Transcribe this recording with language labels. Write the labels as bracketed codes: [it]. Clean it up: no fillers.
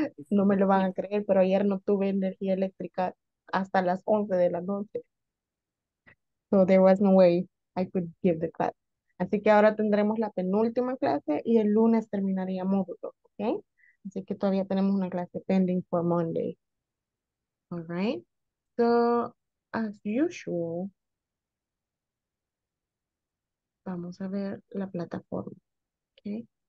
[es] No me lo van a creer, pero ayer no tuve energía eléctrica hasta las 11 de la noche. [en] So there was no way I could give the class. [es] Así que ahora tendremos la penúltima clase y el lunes terminaría módulo, ¿ok? Así que todavía tenemos una clase [en] pending for Monday. All right. So, as usual, [es] vamos a ver la plataforma, ¿ok?